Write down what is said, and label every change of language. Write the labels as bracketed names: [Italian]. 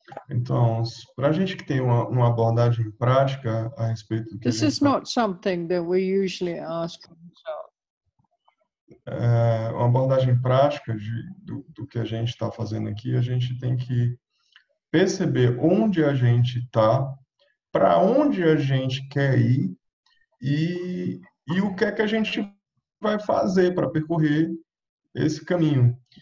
[Portuguese] Então, para a gente que tem uma abordagem prática a respeito do que [English] this is not something that we usually ask ourselves. [Portuguese] Uma abordagem prática do que a gente está fazendo aqui, a gente tem que perceber onde a gente está, para onde a gente quer ir e o que a gente vai fazer para percorrer esse caminho.